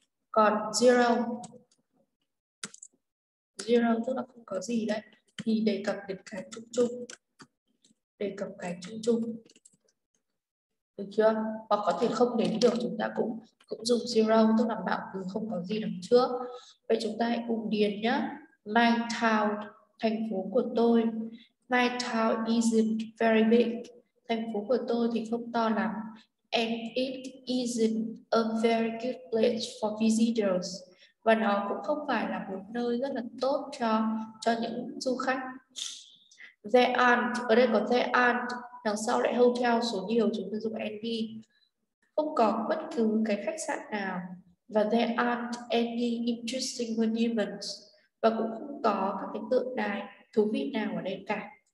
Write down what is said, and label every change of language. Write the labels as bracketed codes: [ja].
[vi] Còn zero zero tức là không có gì đấy thì đề cập đến cái chung chung, đề cập cái chung chung. Được chưa? Hoặc có thể không đến được chúng ta cũng cũng dùng zero tức là mạo từ không có gì đằng trước. Vậy chúng ta hãy cùng điền nhé. My town, thành phố của tôi. [en] My town isn't very big. [vi] Thành phố của tôi thì không to lắm. [en] And it isn't a very good place for visitors. [vi] Và nó cũng không phải là một nơi rất là tốt cho những du khách. There aren't, ở đây có [en] there aren't. [vi] Đằng sau lại hotel số nhiều chúng ta dùng any. Không có bất cứ cái khách sạn nào. và [en] there aren't any interesting monuments, [vi] và cũng không có các cái tượng đài thú vị nào ở đây cả.